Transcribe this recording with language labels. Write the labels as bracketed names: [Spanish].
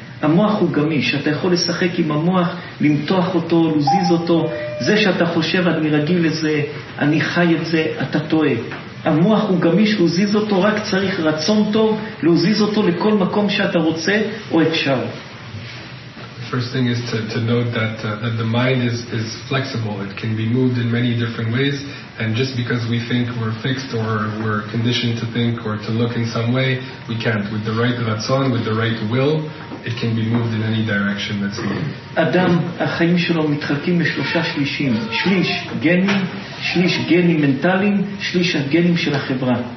[Hebrew] המוח הוא גמיש, אתה יכול לשחק עם המוח, למתוח אותו, לזיז אותו. זה שאתה חושב, אני רגיל לזה, אני חי את זה, אתה טועה. המוח הוא גמיש, לזיז אותו, רק צריך רצון טוב, לזיז אותו לכל מקום שאתה רוצה או אפשר. [English] First thing is to note that the mind is flexible. It can be moved in many different ways. And just because we think we're fixed or we're conditioned to think or to look in some way, we can't. With the right ratzon, with the right will, it can be moved in any direction that's needed. [Hebrew] Adam, החיים שלו מתחלקים בשלושה שלישים. שליש גני, שליש גני מנטליים, שליש הגנים של החברה.